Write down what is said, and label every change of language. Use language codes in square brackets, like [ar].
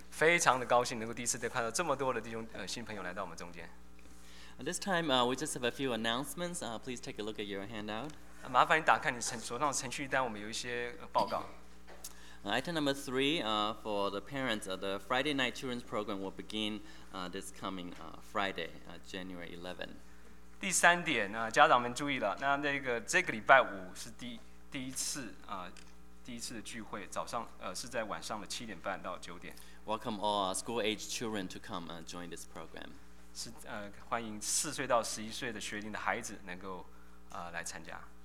[zh] 非常的高兴能够第一次再看到这么多的弟兄新朋友来到我们中间。 [en] This time, we just have a few announcements. Please take a look at your handout. [zh] 麻烦你打开你手上的程序单，我们有一些报告。 [en] Item number three, for the parents, the Friday night children's program will begin this coming Friday, January 11. [zh] 第三点呢，家长们注意了，那个这个礼拜五是第一次啊。第一次的聚会，早上是在晚上的七点半到九点。 [en] Welcome all school age children to come and join this program. [zh] 是欢迎四岁到十一岁的学龄的孩子能够来参加。